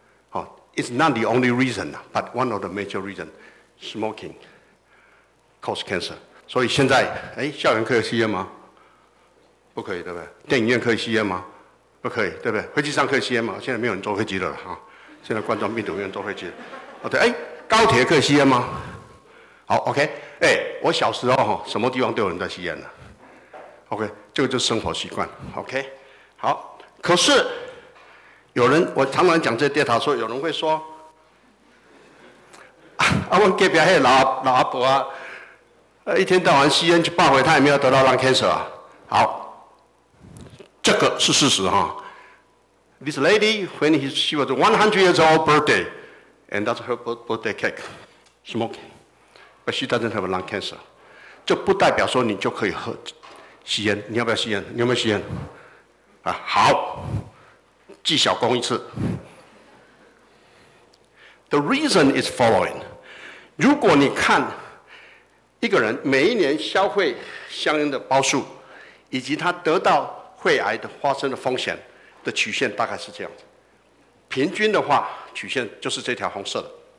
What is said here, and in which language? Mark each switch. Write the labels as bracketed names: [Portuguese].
[English] 好 ，it's not the only reason, but one of the major reason. Smoking cause cancer. [Chinese] 所以现在，哎，校园可以吸烟吗？不可以，对不对？电影院可以吸烟吗？不可以，对不对？飞机上可以吸烟吗？现在没有人坐飞机了啊！现在冠状病毒没有人坐飞机了。哦，对，哎，高铁可以吸烟吗？好 ，OK， 哎，我小时候哈，什么地方都有人在吸烟的。 OK， 这个就是生活习惯。OK， 好，可是有人，我常常讲这电塔说，有人会说，啊，我隔壁那个老阿伯啊。一天到晚吸烟就爆回，他也没有得到 lung cancer 啊。好，这个是事实哈。 [English] This lady, when she was 100 years old birthday, and that's her birthday cake, smoking, but she doesn't have lung cancer. [Chinese] 这不代表说你就可以喝吸烟，你要不要吸烟？你有没有吸烟？啊，好，记小功一次。 [English] The reason is following. [Chinese] 如果你看一个人每一年消费香烟的包数，以及他得到肺癌的发生的风险的曲线大概是这样子，平均的话曲线就是这条红色的。